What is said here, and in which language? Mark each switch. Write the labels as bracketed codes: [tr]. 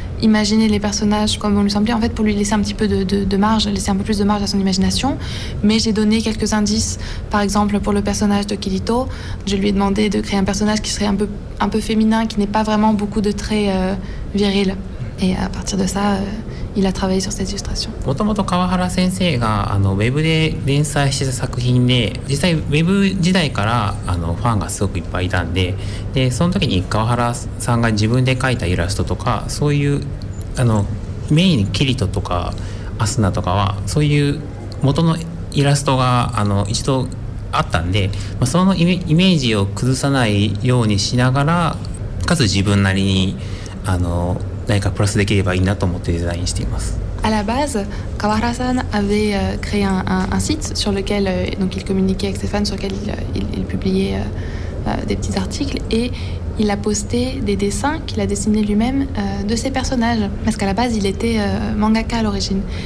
[fr] imaginer les personnages comme on lui semblait, en fait, pour lui laisser un petit peu de marge, laisser un peu plus de marge à son imagination. Mais j'ai donné quelques indices. Par exemple, pour le personnage de Kirito, je lui ai demandé de créer un personnage qui serait un peu féminin, qui n'ait pas vraiment beaucoup de traits virils. Et à partir de ça, il a travaillé sur cette illustration. [ja] もともと川原先生があのウェブで連載してた作品で、実際ウェブ時代からあのファンがすごくいっぱいいたんで、でその時に川原さんが自分で描いたイラストとか、そういうあのメインにキリトとかアスナとかはそういう元のイラストがあの一度あったんで、まあ、そのイメージを崩さないようにしながら、かつ自分なりにあの何かプラスできればいいなと思ってデザインしています。 [fr] À la base, Kawahara-san avait créé un site sur lequel donc il communiquait avec ses fans, sur lequel il publiait des petits articles, et il a posté des dessins qu'il a dessinés lui-même de ses personnages, parce qu'à la base il était mangaka à l'origine.